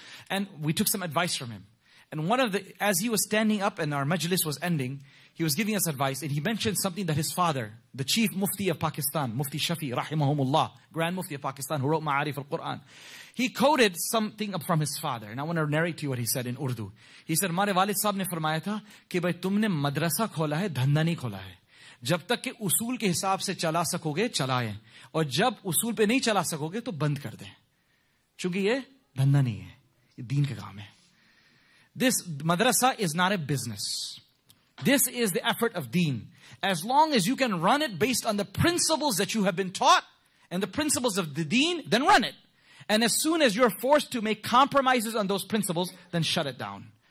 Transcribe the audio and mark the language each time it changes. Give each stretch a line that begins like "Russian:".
English: And we took some advice from him. And as he was standing up and our majlis was ending, he was giving us advice and he mentioned something that his father, the chief Mufti of Pakistan, Mufti Shafi, rahimahumullah, Grand Mufti of Pakistan, who wrote Ma'arif al-Quran. He quoted something up from his father. And I want to narrate to you what he said in Urdu. He said,
Urdu: "مرے والد صاحب نے فرمایا تھا کہ بھائی تم نے مدرسہ کھولا ہے، دھندا نہیں کھولا ہے۔ جب تک کے اصول کے حساب سے چلا سکو گے، چلائے۔ اور جب اصول پہ نہیں چلا سکو گے، تو بند کر دے۔ چونکہ یہ دھندا نہیں ہے۔ یہ دین کا کام ہے۔
English: This madrasa is not a business. This is the effort of deen. As long as you can run it based on the principles that you have been taught and the principles of the deen, then run it. And as soon as you're forced to make compromises on those principles, then shut it down.